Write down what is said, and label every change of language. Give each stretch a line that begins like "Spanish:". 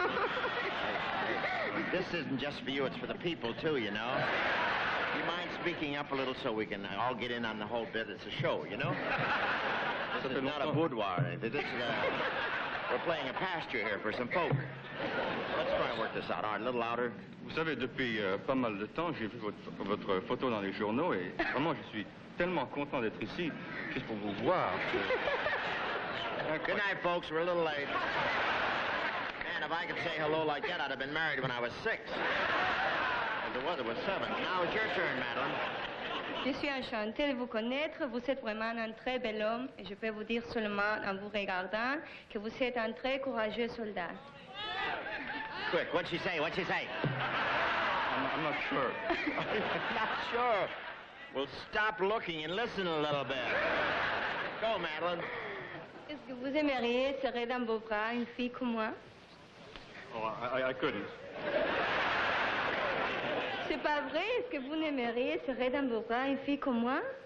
English: Hey, this isn't just for you, it's for the people too, you know. Do you mind speaking up a little so we can all get in on the whole bit? It's a show, you know? This is not a boudoir. This is a... We're playing a pasture here for some folk. Let's try and work this out, Art, a little louder.
French: Vous savez, depuis pas mal de temps, j'ai vu votre photo dans les journaux et vraiment, je suis tellement content d'être ici juste pour vous voir.
English: Good night, folks. We're a little late. Man, if I could say hello like that, I'd have been married when I was 6. And the weather was 7. Now it's your turn, Madeline.
French: Je suis enchantée de vous connaître. Vous êtes vraiment un très bel homme. Et je peux vous dire seulement, en vous regardant, que vous êtes un très courageux soldat.
English: Quick, what'd she say? What'd she say? I'm not sure. Not sure? Well, stop looking and listen a little bit. Go, Madeline.
French: Est-ce que vous aimeriez serrer dans vos bras une fille comme moi?
English: Oh, I couldn't.
French: C'est pas vrai. Est-ce que vous aimeriez serrer dans vos bras une fille comme moi?